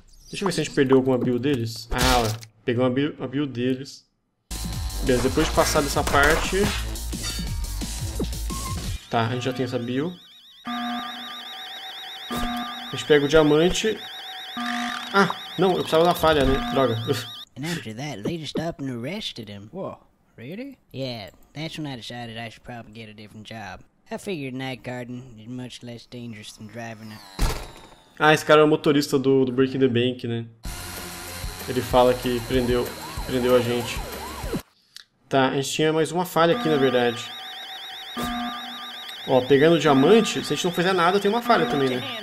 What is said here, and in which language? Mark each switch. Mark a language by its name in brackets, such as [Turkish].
[Portuguese] Deixa eu ver se a gente perdeu alguma bio deles. Ah, ó. Pegou uma bio deles. Beleza, depois de passar dessa parte. Tá, a gente já tem essa bio. A gente pega o diamante. Ah, não, eu precisava da falha, né? Droga. E depois disso, eles [English] just up and arrested him. Whoa, really? Yeah, that's when I decided I should probably get a different job. I figured night garden is much less dangerous than driving a. [Portuguese] Ah, esse cara é o motorista do Breaking the Bank, né? Ele fala que prendeu a gente. Tá, a gente tinha mais uma falha aqui, na verdade. Ó, pegando o diamante, se a gente não fizer nada, tem uma falha também, né?